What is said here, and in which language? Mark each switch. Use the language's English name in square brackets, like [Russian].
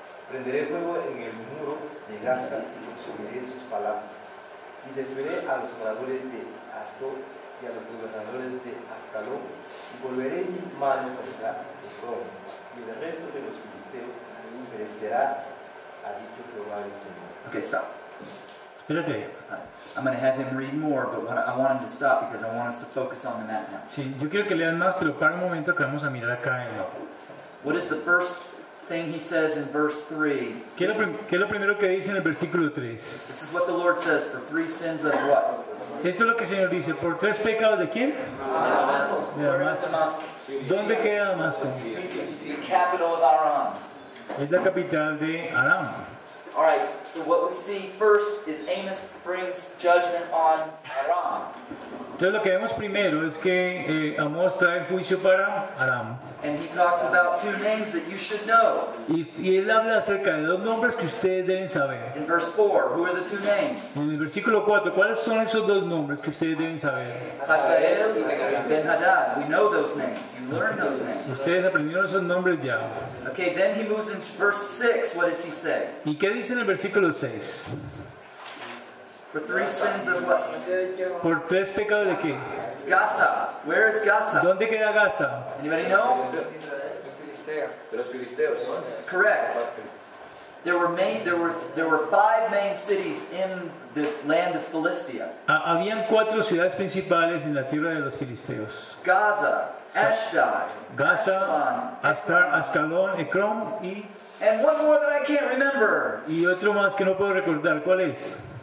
[Spanish] Prenderé fuego en el muro de Gaza y consumiré sus palacios. Y destruiré a los moradores de Ascalón y a los gobernadores de Ascalón, y volveré mi mano contra Ecrón, y el resto de los filisteos perecerá, ha dicho Jehová el Señor. [English] Okay, stop. [Spanish] Espérate. [English] I'm going to have him read more, but I want him to stop because I want us to focus on the map now. [Spanish] Sí, yo quiero que lean más, pero para un momento que vamos a mirar acá en el mapa. [English] What is the first thing he says in verse 3? [Spanish] ¿Qué es lo primero que dice en el versículo 3? [English] This is what the Lord says: for three sins of what? [Spanish] Esto es lo que el Señor dice: por tres pecados de quién? Damasco. ¿Dónde queda Damasco? [English] The capital of Aram. [Spanish] Es la capital de Aram. [English] All right, so what we see first is Amos brings judgment on Aram. [Spanish] Entonces lo que vemos primero es que Amós trae juicio para Aram. [English] And he talks about two names that you should know. [Spanish] Y él habla acerca de dos nombres que ustedes deben saber. [English] In verse 4, who are the two names? [Spanish] En el versículo 4, ¿cuáles son esos dos nombres que ustedes deben saber? [English] Hazael y Ben-Hadad. We know those names. You learn those names. [Spanish] Ustedes aprendieron esos nombres ya. [English] Okay, then he moves into verse 6. What does he say? [Spanish] ¿Y qué dice en el versículo 6? [English] For three sins of what? [Spanish] ¿Por tres pecados de qué? [English] Gaza. Where is Gaza? [Spanish] ¿Dónde queda Gaza? [English] Anybody know? [Spanish] De los filisteos. [English] Correct. There were five main cities in the land of Philistia. [Spanish] Habían cuatro ciudades principales en la tierra de los filisteos. Gaza, Ashdod, Gaza, Ashdod, Ascalón, Ekron y [English] And one more that I can't remember. [Spanish] Y otro más que no puedo recordar, ¿cuál es?